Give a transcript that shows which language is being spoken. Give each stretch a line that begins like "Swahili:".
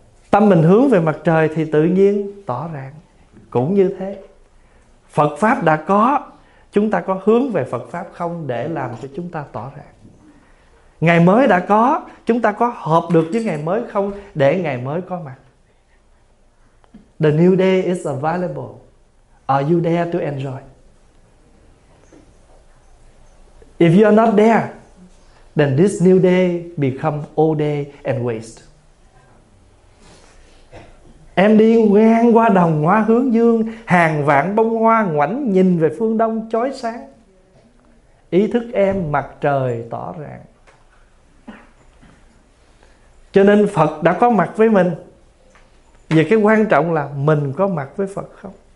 Vietnamese: Tâm mình hướng về mặt trời thì tự nhiên tỏ rạng. Cũng như thế, Phật Pháp đã có, chúng ta có hướng về Phật Pháp không để làm cho chúng ta tỏ rạng? Ngày mới đã có, chúng ta có hợp được với ngày mới không để ngày mới có mặt?
English: The new day is available. Are you there to enjoy? If you are not there, then this new day become old day and waste.
Vietnamese: Em đi ngang qua đồng hoa hướng dương, hàng vạn bông hoa ngoảnh nhìn về phương đông chói sáng. Ý thức em mặt trời tỏ rạng. Cho nên Phật đã có mặt với mình. Vì cái quan trọng là mình có mặt với Phật không?